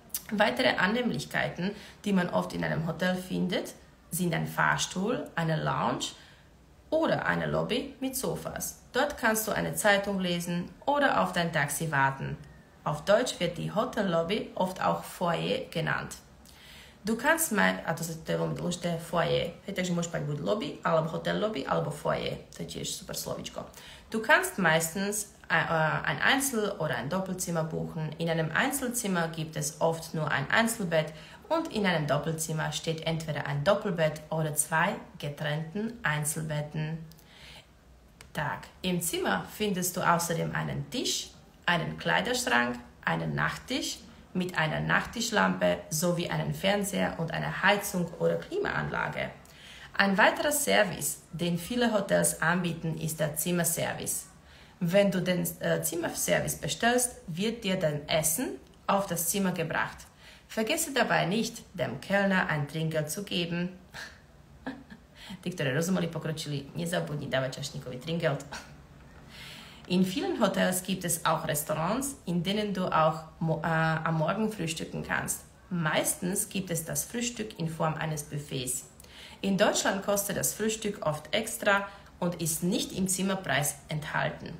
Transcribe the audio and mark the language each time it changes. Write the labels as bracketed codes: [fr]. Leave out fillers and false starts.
[de] Weitere Annehmlichkeiten, die man oft in einem Hotel findet, sind ein Fahrstuhl, eine Lounge oder eine Lobby mit Sofas. Dort kannst du eine Zeitung lesen oder auf dein Taxi warten. Auf Deutsch wird die Hotellobby oft auch Foyer genannt. Du kannst mal, [sk] a to sa to je veľmi dôležité, foyer. Hej, takže môžeš mať buď lobby, alebo hotel lobby, alebo foyer. To je tiež super slovičko. [de] Du kannst meistens ein Einzel- oder ein Doppelzimmer buchen. In einem Einzelzimmer gibt es oft nur ein Einzelbett und in einem Doppelzimmer steht entweder ein Doppelbett oder zwei getrennten Einzelbetten. Tak, im Zimmer findest du außerdem einen Tisch, einen Kleiderschrank, einen Nachttisch, mit einer Nachttischlampe sowie einen Fernseher und einer Heizung oder Klimaanlage. Ein weiterer Service, den viele Hotels anbieten, ist der Zimmerservice. Wenn du den Zimmerservice bestellst, wird dir dein Essen auf das Zimmer gebracht. Vergesse dabei nicht, dem Kellner ein Trinkgeld zu geben. [sk] Die, ktoré rozumeli, pokročili, nezabudni dávať čašníkovi Trinkgeld. [de] In vielen Hotels gibt es auch Restaurants, in denen du auch am Morgen frühstücken kannst. Meistens gibt es das Frühstück in Form eines Buffets. In Deutschland kostet das Frühstück oft extra und ist nicht im Zimmerpreis enthalten.